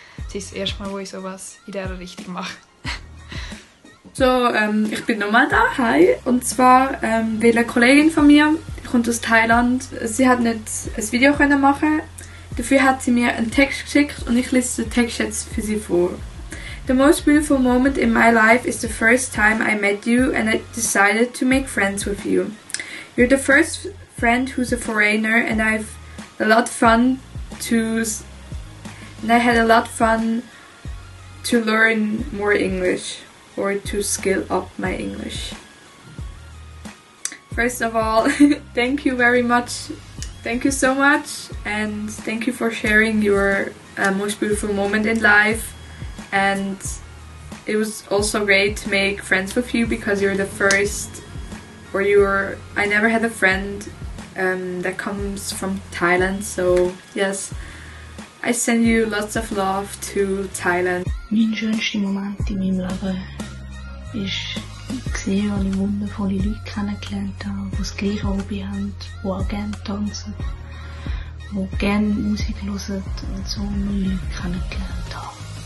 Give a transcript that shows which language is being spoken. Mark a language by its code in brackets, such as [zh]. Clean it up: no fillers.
[de] Es ist das erste Mal, wo ich sowas in dieser Richtung mache. So, ich bin nochmal da, hi. Und zwar will eine Kollegin von mir, die kommt aus Thailand. Sie hat nicht ein Video können machen. Dafür hat sie mir einen Text geschickt und ich lese den Text jetzt für sie vor. [en] The most beautiful moment in my life is the first time I met you and I decided to make friends with you. You're the first friend who's a foreigner and I had a lot of fun to learn more English or to skill up my English. First of all, thank you very much. Thank you so much and thank you for sharing your most beautiful moment in life. And it was also great to make friends with you because you're the first, or I never had a friend that comes from Thailand. So yes, I send you lots of love to Thailand. [de] Mein schönster Moment in meinem Leben ist gesehen, wo ich wundervolle Leute kennengelernt habe, die das gleiche Hobby haben, die auch gerne tanzen, die gerne Musik hören und so viele Leute kennengelernt haben.